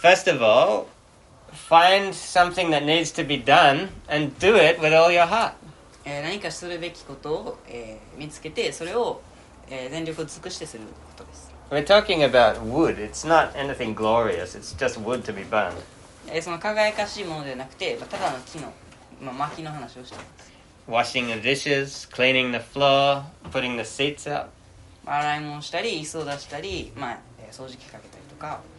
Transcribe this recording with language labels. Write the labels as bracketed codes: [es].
[en] First of all, find something that needs to be done and do it with all your heart. [ja] 何かするべきことを、見つけてそれを、全力を尽くしてすることです。 [en] We're talking about wood. It's not anything glorious. It's just wood to be burned. [ja] その輝かしいものではなくて、ただの木の、薪の話をしています。 [en] Washing the dishes, cleaning the floor, putting the seats up. [ja] 洗い物したり、椅子を出したり、掃除機かけたりとか。